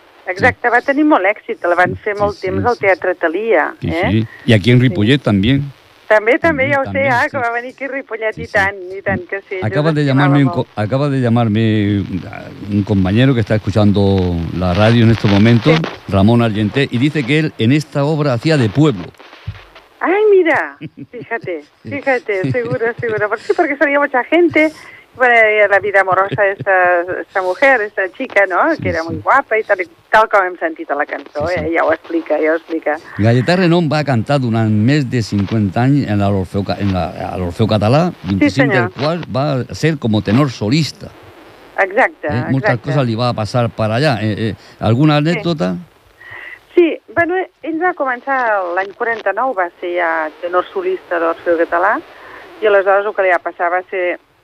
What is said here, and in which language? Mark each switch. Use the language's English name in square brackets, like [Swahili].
[Catalan] Exacte, va tenir molt èxit, la van fer molt temps al Teatre Talia. Sí. I aquí en Ripollet també. També, ja ho sé, ah, que va venir aquí Ripollet i tant que sí. [Spanish] Acaba de llamarme un compañero que está escuchando la radio en estos momentos, sí. Ramón Argenté, y dice que él en esta obra hacía de pueblo. ¡Ay, mira! Fíjate, fíjate, seguro, seguro. ¿Por qué? Porque salía mucha gente. Bueno, la vida amorosa de esta mujer, esta chica, ¿no? Sí, que era muy guapa y tal [Catalan] com hem sentit a la cançó. Sí, sí. Ella ho explica, ella ho explica. Gaietà Renom va cantar durant més de 50 anys en l'Orfeu Català, 25 del qual va ser com tenor solista. Exacte, exacte. Moltes coses li va passar per allà. Alguna anècdota? Sí, bueno, ell va començar l'any 49, va ser ja tenor solista d'Orfeu Català, i aleshores el que li va passar va ser